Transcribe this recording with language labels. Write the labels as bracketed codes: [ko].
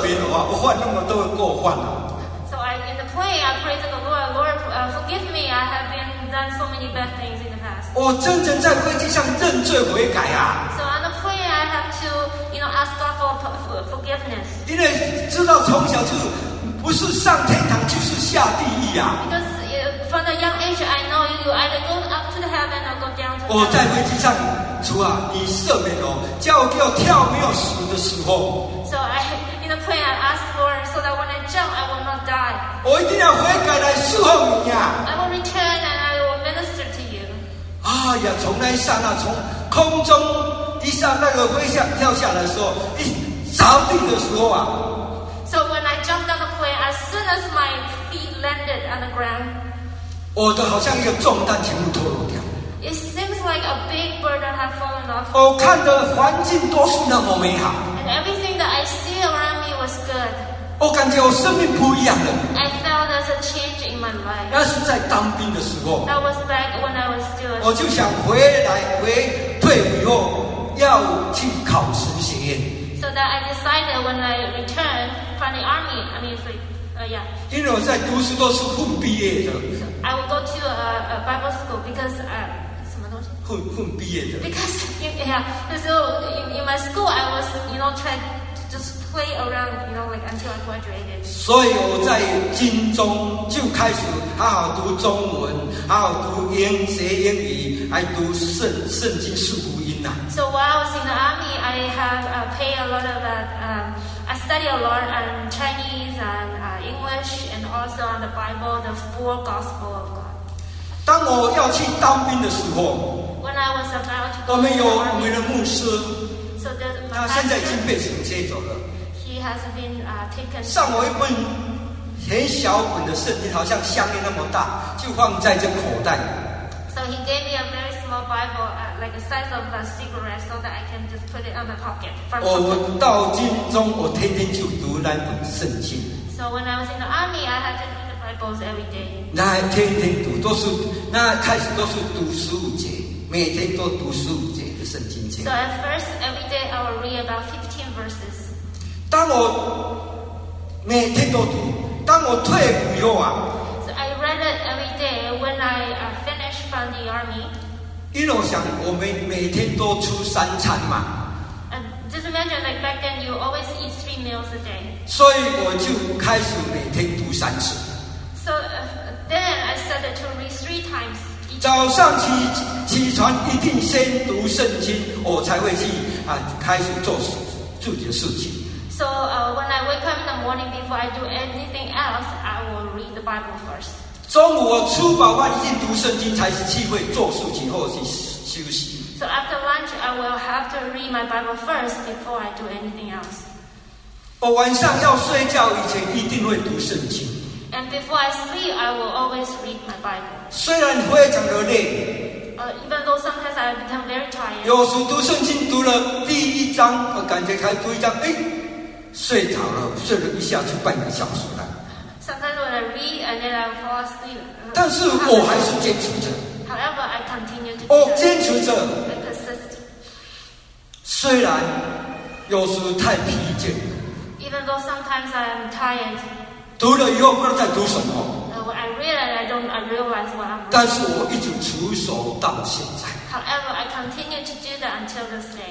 [zh] 我就在飞机上，主啊，你赦免我，我犯那么多过犯了。 [en] So in the plane, I pray to the Lord, forgive me, I have been done so many bad things in the past. [zh] 我真正在飞机上认罪悔改啊。 [en] So on the plane, I have to, ask God for forgiveness. [zh] 因为知道从小就不是上天堂就是下地狱啊。 [en] From the young age, I know you either go up to the heaven or go down to [zh] 我在飞机上，主啊，你赦免我，叫我跳没有死的时候。 [en] So I in the plane I asked Lord so that when I jump I will not die. [zh] 我一定要悔改来侍奉你啊。 [en] I will return and I will minister to you. [zh] 哎呀，从那一刹那，从空中一刹那个飞下跳下来的时候，一着地的时候啊。 [en] So when I jumped on the plane, as soon as my feet landed on the ground. [zh] 我的好像一个重担全部脱落掉。 [en] It seems like a big burden has fallen off. [zh] 我看的环境都是那么美好。 [en] And everything that I see around me was good. [zh] 我感觉我生命不一样了。 [en] I felt there's a change in my life. [zh] 那是在当兵的时候。 [en] That was back when I was still a student. [zh] 我就想回来回退伍以后要去考神学院。 [en] So that I decided when I returned from the army, yeah. [zh] 因为我在读书都是混毕业的。 [en] I will go to a Bible school because [zh] 什么东西？混毕业的。 [en] Because yeah, so in my school I was you know trying to just play around you know like until I graduated. [zh] 所以我在军中就开始好好读中文，好好读英学英语，还读圣经四福音呐、 [en] 啊。So while I was in the army, I have pay a lot of I study a lot on Chinese and English. And also on the Bible, the four gospel of God. [zh] 当我要去当兵的时候 [en] when I was about to go to the army, [zh] 我们有我们的牧师，他现在已经被神接走了。 [en] He has been taken. [zh] 上我一本很小本的圣经，好像项链那么大，就放在这口袋。 [en] So he gave me a very small Bible, like the size of a cigarette, so that I can just put it on my pocket. [zh] 我到军中，我天天就读那本圣经。 [en] So when I was in the army, I had to read the Bibles every day. [zh] 那天天读都是，那开始都是读十五节，每天都读十五节的圣经节。 [en] So at first, every day I will read about 15 verses. [zh] 当我每天都读，当我退伍以后啊。 [en] So I read it every day when I finished from the army. [zh] 因为我想，我们每天都出三餐嘛。 [en] Just imagine, like back then, you always eat three meals a day. [zh] 所以我就开始每天读三次。 [en] So then I started to read three times. [zh] 早上起床一定先读圣经，我才会去开始做自己的事情。 [en] So when I wake up in the morning before I do anything else, I will read the Bible first. [zh] 中午我吃饱饭一定读圣经，才是机会做事情或者去休息。 [en] So after lunch, I will have to read my Bible first before I do anything else. [zh] 我晚上要睡觉以前一定会读圣经。 [en] And before I sleep, I will always read my Bible. [zh] 虽然非常的累。 [en] Even though sometimes I become very tired. [zh] 有时读圣经读了第一章，我感觉才读一章，哎，睡着了，睡了一下就半个小时了。 [en] Sometimes when I read, and then I fall asleep. [zh] 但是我还是坚持着。 [en] However, I continue to do it. [zh] 坚持着。 [en] I persist. [zh] 虽然有时太疲倦。 [en] Even though sometimes I am tired. [zh] 读了以后不知道在读什么。 [en] I read and I realize what I'm reading. [zh] 但是我一直持守到现在。 [en] However, I continue to do that until this day.